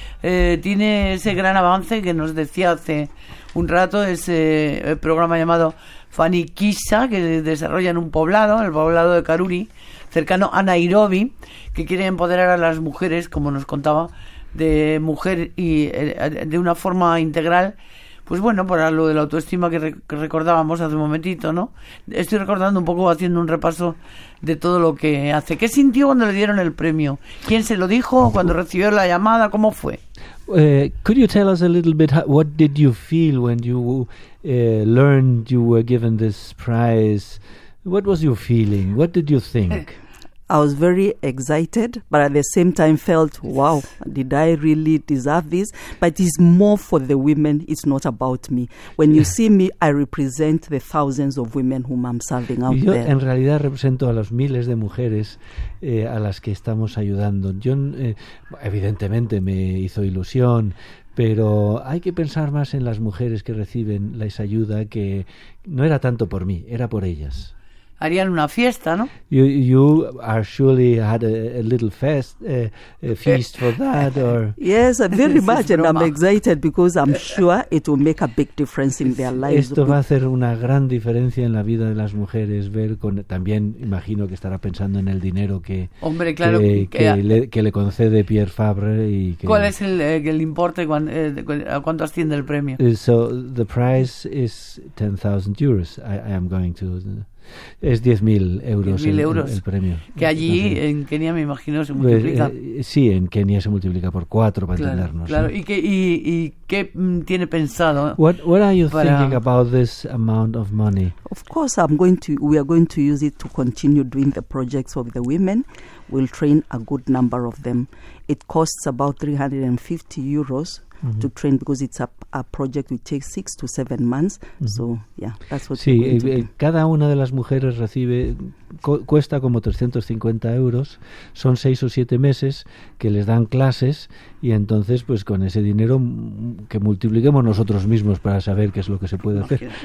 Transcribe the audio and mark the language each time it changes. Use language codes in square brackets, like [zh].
[es] Tiene ese gran avance que nos decía hace un rato, ese programa llamado Fanny Kisa, que desarrolla en un poblado, el poblado de Karuri, cercano a Nairobi, que quiere empoderar a las mujeres, como nos contaba, de mujer y de una forma integral. Pues bueno, para lo de la autoestima que recordábamos hace un momentito, ¿no? Estoy recordando un poco, haciendo un repaso de todo lo que hace. ¿Qué sintió cuando le dieron el premio? ¿Quién se lo dijo? ¿Cuándo recibió la llamada? ¿Cómo fue? [en] Could you tell us a little bit what did you feel when you learned you were given this prize? What was your feeling? What did you think? I was very excited, but at the same time felt, wow, did I really deserve this? But it's more for the women. It's not about me. When you see me, I represent the thousands of women whom I'm serving out [es] yo, [en] there. [es] Yo, en realidad, represento a los miles de mujeres a las que estamos ayudando. Yo, evidentemente, me hizo ilusión, pero hay que pensar más en las mujeres que reciben esa ayuda, que no era tanto por mí, era por ellas. Harían una fiesta, ¿no? [en] You are surely had a little fest, a feast for that, or yes, very much, and I'm excited because I'm sure it will make a big difference in their lives. [es] Esto va a hacer una gran diferencia en la vida de las mujeres. Ver con también, imagino que estará pensando en el dinero que hombre, claro, que le concede Pierre Fabre y que, ¿cuál es el importe? ¿A cuánto asciende el premio? [en] So the prize is 10,000 euros. I am going to. [es] Es 10,000 euros, 10,000 euros el premio. Que allí, en Kenia, me imagino, se multiplica. Sí, en Kenia se multiplica por cuatro, para entendernos. Claro, claro. ¿Sí? ¿Y qué tiene pensado? [en] What are you thinking about this amount of money? Of course, we are going to use it to continue doing the projects of the women. We'll train a good number of them. It costs about 350 euros. Mm-hmm. To train, because it's a project which takes 6 to 7 months. Mm-hmm. So yeah, that's what. [es] Sí, cada una de las mujeres recibe cuesta como 350 euros. Son 6 o 7 meses que les dan clases y entonces pues con ese dinero que multipliquemos nosotros mismos para saber qué es lo que se puede hacer.